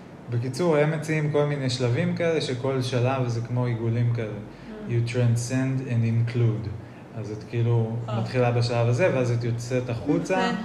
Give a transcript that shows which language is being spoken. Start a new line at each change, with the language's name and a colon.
Hebrew: בקיצור, הם מציעים כל מיני שלבים כאלה, שכל שלב זה כמו עיגולים כאלה.
English: You transcend and include.
Hebrew: אז את כאילו מתחילה בשלב הזה, ואז את יוצאת החוצה.